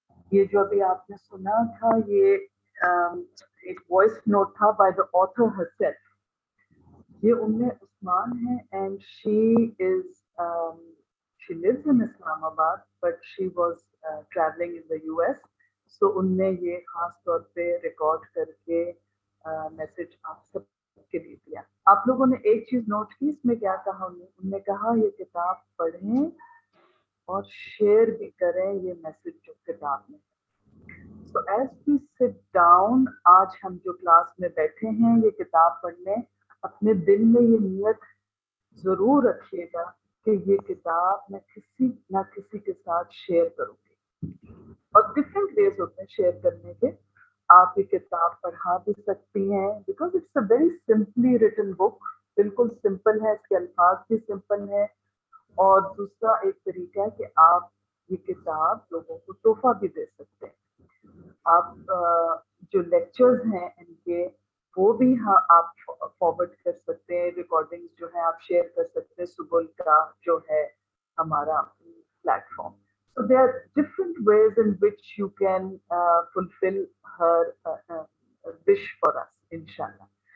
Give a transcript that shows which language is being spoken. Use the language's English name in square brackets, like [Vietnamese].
[Hindi] Ye jo abhi aapne suna tha, ye ek voice note tha [English] by the author herself. [Hindi] Ye Umme Uthman hai [English] and she lives in Islamabad, but she was traveling in the US. [Hindi] So unne ye khas taur pe record karke message aap sab आप लोगों ने एक चीज note की, इसमें क्या कहा उन्होंने, कहा ये किताब पढ़ें और शेयर भी करें ये मैसेज जो किताब में। [English] So as we sit down, [Hindi] आज हम जो क्लास में बैठे हैं ये किताब पढ़ने, अपने दिल में ये नियत जरूर रखिएगा कि ये किताब मैं किसी ना किसी के साथ शेयर करूंगी। और डिफरेंट वेज होते हैं शेयर करने के, आप ये किताब पढ़ा भी सकती हैं, [English] because it's a very simply written book, [Hindi] बिल्कुल सिंपल है, इसके अल्फाज भी सिंपल हैं। और दूसरा एक तरीका है कि आप ये किताब लोगों को तोहफा भी दे सकते हैं। आप जो लेक्चर्स हैं इनके, वो भी हाँ आप फॉरवर्ड कर सकते हैं, रिकॉर्डिंग जो है आप शेयर कर सकते हैं सुबह का जो है हमारा platform. [English] So there are different ways in which you can fulfill her wish for us, inshallah.